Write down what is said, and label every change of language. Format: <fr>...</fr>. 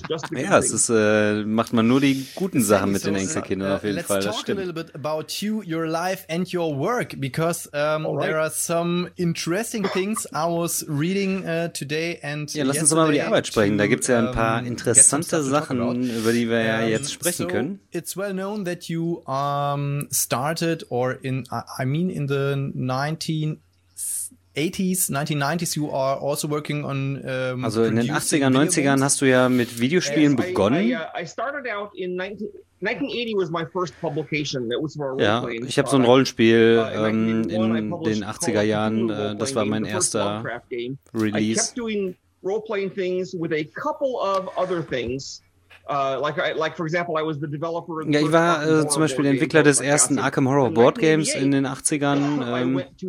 <de>Ja, es ist, macht man nur die guten Sachen mit den Enkelkindern auf jeden Fall.</de> <en>Let's talk a little bit about you, your life and your work, because there are some interesting things I was reading today and yesterday.</en> <de>Ja, lass uns mal über die Arbeit sprechen. Da gibt es ja ein paar interessante Sachen, über die wir ja jetzt sprechen können.</de> <en>It's well known that you started or in the 1990s, you are also working on</en> <de>also in den 80ern, 90ern hast du ja mit Videospielen begonnen.</de> <en>I started out in 1980 was my first publication. That was for a role-playing.</en> <de>Ja, ich habe so ein Rollenspiel in den 80er Jahren, das war mein erster Release.</de> <en>I kept doing role-playing things with a couple of other things. Like for example, I was the developer of the</en> <de>Ich war zum Beispiel der Entwickler des ersten Arkham Horror Board Games in den 80ern.</de>